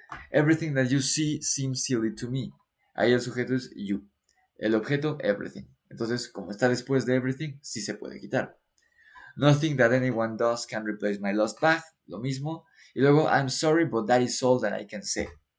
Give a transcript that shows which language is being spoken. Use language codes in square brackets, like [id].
[en] Everything that you see seems silly to me. [es] Ahí el sujeto es you. El objeto, everything. Entonces, como está después de everything, sí se puede quitar. [en] Nothing that anyone does can replace my lost bag. [es] Lo mismo. Y luego, [en] I'm sorry, but that is all that I can say.